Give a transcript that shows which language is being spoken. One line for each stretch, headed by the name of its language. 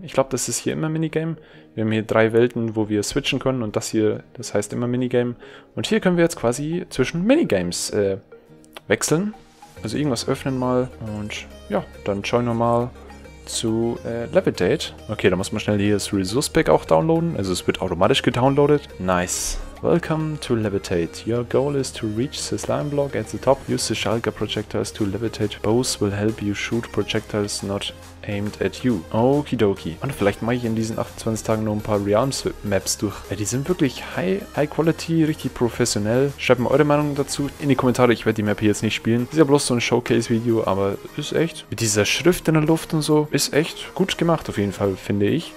German: Ich glaube, das ist hier immer Minigame. Wir haben hier drei Welten, wo wir switchen können und das hier, das heißt immer Minigame. Und hier können wir jetzt quasi zwischen Minigames wechseln. Also irgendwas öffnen mal und ja, dann joinen wir mal zu Levitate. Okay, da muss man schnell hier das Resource Pack auch downloaden. Also es wird automatisch gedownloadet.
English: Nice. Welcome to Levitate. Your goal is to reach the slime block at the top. Use the Shulker projectiles to levitate. Bows will help you shoot projectiles not aimed at you. Okidoki.
German: Und vielleicht mache ich in diesen 28 Tagen noch ein paar Realms Maps durch. Die sind wirklich high quality, richtig professionell. Schreibt mal eure Meinung dazu in die Kommentare. Ich werde die Map hier jetzt nicht spielen. Ist ja bloß so ein Showcase-Video, aber ist echt. Mit dieser Schrift in der Luft und so. Ist echt gut gemacht, auf jeden Fall, finde ich.